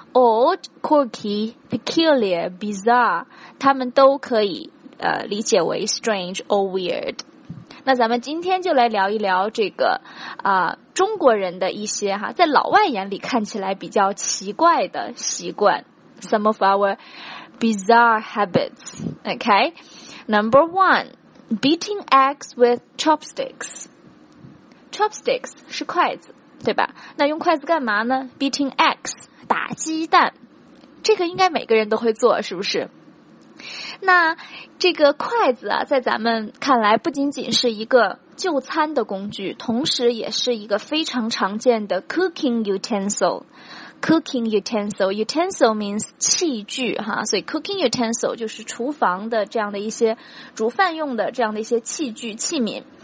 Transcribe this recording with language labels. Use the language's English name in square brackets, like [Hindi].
[English] Odd, quirky, peculiar, bizarre， [Chinese] 它们都可以理解为 [English] strange or weird。 [Chinese] 那咱们今天就来聊一聊这个中国人的一些哈，在老外眼里看起来比较奇怪的习惯， [English] Some of our bizarre habits. Okay. Number one, beating eggs with chopsticks. [Chinese] Chopsticks 是筷子，对吧？那用筷子干嘛呢？ [English] Beating eggs, [Chinese] 打鸡蛋。这个应该每个人都会做，是不是？那这个筷子啊，在咱们看来不仅仅是一个就餐的工具，同时也是一个非常常见的 cooking utensil。 Cooking utensil means 器具哈，所以 cooking utensil 就是厨房的这样的一些煮饭用的这样的一些器具器皿。